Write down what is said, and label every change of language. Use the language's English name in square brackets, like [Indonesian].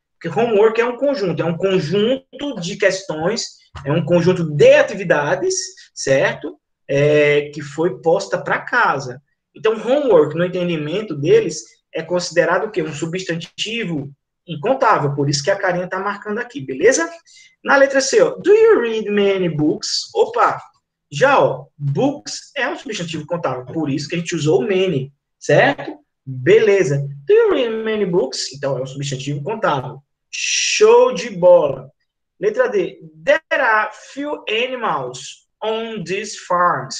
[Portuguese] Porque homework é um conjunto de questões, é um conjunto de atividades, certo? É, que foi posta para casa. Então, homework, no entendimento deles, é considerado o quê? Um substantivo incontável. Por isso que a carinha está marcando aqui, beleza? Na letra C, ó, [English] do you read many books? [Portuguese] Opa! Já, ó, books é um substantivo contável, por isso que a gente usou many, certo? Beleza. [English] Do you read many books? [Portuguese] Então, é um substantivo contável. Show de bola. Letra D. [English] There are few animals on these farms.